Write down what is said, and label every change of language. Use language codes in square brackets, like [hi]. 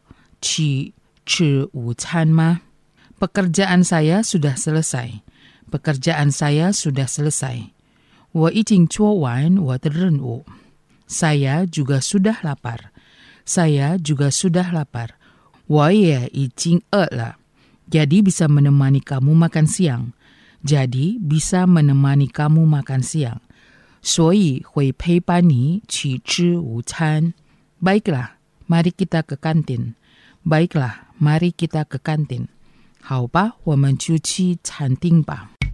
[zh] 你要陪伴我去吃午餐吗? [id] Pekerjaan saya sudah selesai. Pekerjaan saya sudah selesai. [zh] 我已经做完我的任务. [id] Saya juga sudah lapar. Saya juga sudah lapar. [zh] 我也已经饿了. [id] Jadi bisa menemani kamu makan siang. Jadi bisa menemani kamu makan siang. [zh] 所以会陪伴你去吃午餐. [id] Baiklah, mari kita ke kantin. Baiklah, mari kita ke kantin. [zh] 好吧,我们就去餐厅吧.